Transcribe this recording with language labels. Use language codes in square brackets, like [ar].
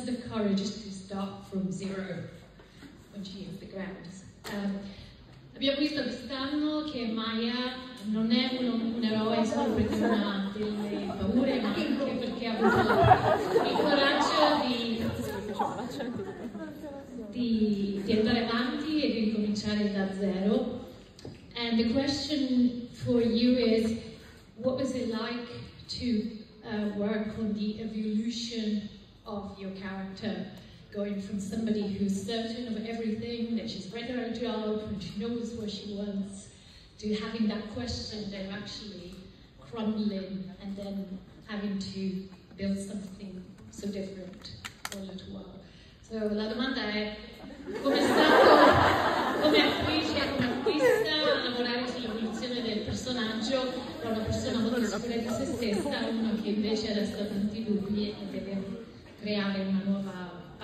[en] Courage to start from zero when she hits the ground. [it] Abbiamo visto quest'anno che Maya non è un eroe solo perché non ha delle paure, ma anche perché ha avuto il coraggio di andare avanti e di ricominciare da zero. [en] And the question for you is, what was it like to work on the evolution of your character? Going from somebody who's certain of everything, that she's read her job, and she knows what she wants, to having that question then actually crumbling and then having to build something so different for a little while. [it] So la domanda è, come è stato, come attrice, come artista, lavorare sull'evoluzione del personaggio da una persona molto sicura di se stessa, uno che invece resta tanti dubbi e deve creare una nuova.